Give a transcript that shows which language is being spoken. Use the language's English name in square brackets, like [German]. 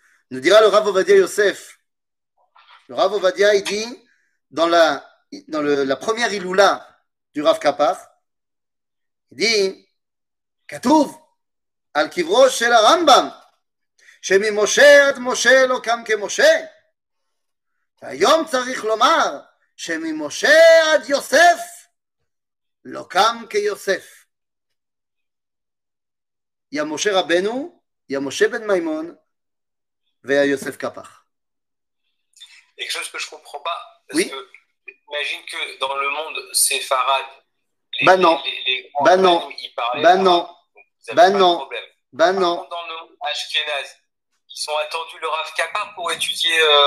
[French] Nous dira le Rav Ovadia Yosef. Le Rav Ovadia, il dit, dans la première Iloula du Rav Kapar, il dit, [Hebrew] כתוב על קברו של הרמב״ם שממשה עד משה לא קם כמשה והיום צריך לומר שממשה עד יוסף לא קם כיוסף. יא משה רבנו, יא משה בן מימון ויא יוסף קפח. [French] Quelque chose que je comprends pas, parce que j'imagine que dans le monde séfarade, Ben non. Dans le monde ashkénaze, ils ont attendu le Rav Kappa pour étudier.